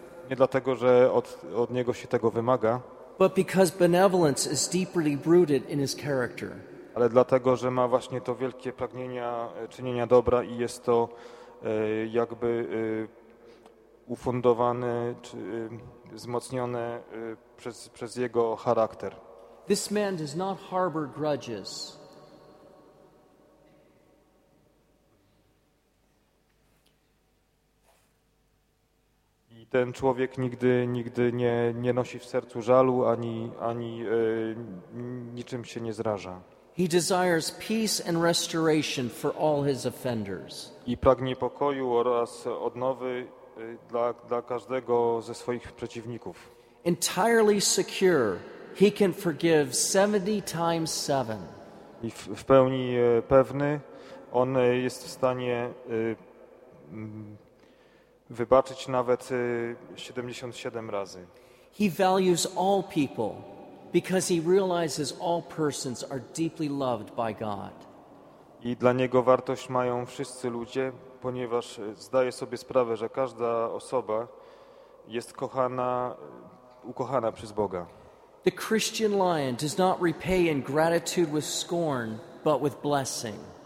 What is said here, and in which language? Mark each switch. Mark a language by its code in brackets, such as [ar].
[pl] nie dlatego, że od niego się tego wymaga. [en] But because benevolence is deeply rooted in his character. [pl] Ale dlatego, że ma właśnie to wielkie pragnienia czynienia dobra i jest to jakby ufundowane czy wzmocnione przez jego charakter. [en] This man does not harbor grudges. [pl] I ten człowiek nigdy nie nosi w sercu żalu ani niczym się nie zraża. [en] He desires peace and restoration for all his offenders. [pl] I pragnie pokoju oraz odnowy dla każdego ze swoich przeciwników. [en] Entirely secure, he can forgive 70 times 7. [pl] I w pełni pewny, on jest w stanie wybaczyć nawet 77 razy. [en] He values all people. Because he realizes all persons are deeply loved by God. [pl] I dla niego wartość mają wszyscy ludzie, ponieważ zdaje sobie sprawę, że każda osoba jest kochana, ukochana przez Boga. [en] The Christian lion does not repay ingratitude with scorn, but with blessing.